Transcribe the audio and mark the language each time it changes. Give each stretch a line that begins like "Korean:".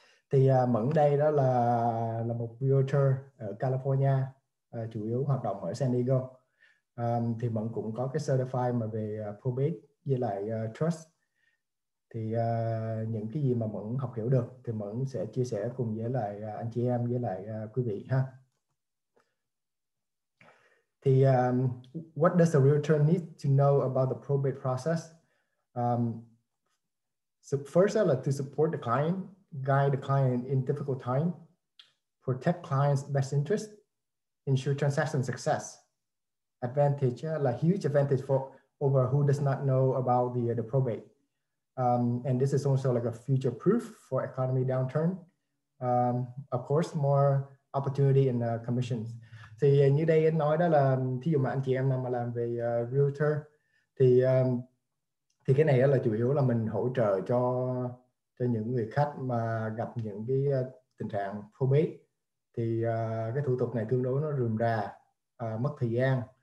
Vietnamese: Thì Mẫn đây đó là một realtor ở California, chủ yếu hoạt động ở San Diego. Thì Mẫn cũng có cái certify mà về probate với lại trust. Thì những cái gì mà Mẫn học hiểu được thì Mẫn sẽ chia sẻ cùng với lại anh chị em với lại quý vị ha.
English: Thì what does a realtor need to know about the probate process? So first of all, to support the client, guide the client in difficult time, protect client's best interest, ensure transaction success. Advantage, like huge advantage for over who does not know about the probate. And this is also like a future proof for economy downturn. Of course, more opportunity in commissions.
Vietnamese: Thì như đây anh nói đó là thí dụ mà anh chị em nào mà làm về realtor thì cái này là chủ yếu là mình hỗ trợ cho những người khách mà gặp những cái tình trạng probate. Thì cái thủ tục này tương đối nó rườm rà, mất thời gian.